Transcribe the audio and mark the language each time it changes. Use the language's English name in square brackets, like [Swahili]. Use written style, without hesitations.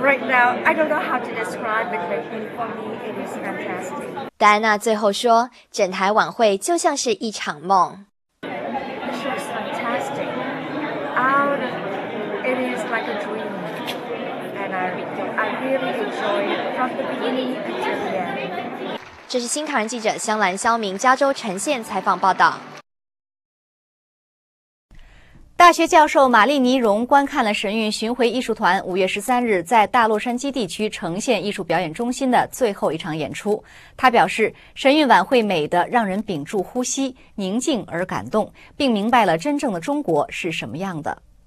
[English] Right now, I don't know how to describe it, but for me, it is fantastic. [Chinese] 戴安娜最后说，整台晚会就像是一场梦。 [English] This was fantastic. Out of, it is like a dream. And I really enjoy it from the beginning to the end. [Chinese] 这是新唐人记者香兰肖明加州呈现采访报道。大学教授玛丽尼荣观看了神韵巡回艺术团5月13日在大洛杉矶地区呈现艺术表演中心的最后一场演出。他表示，神韵晚会美得让人屏住呼吸，宁静而感动，并明白了真正的中国是什么样的。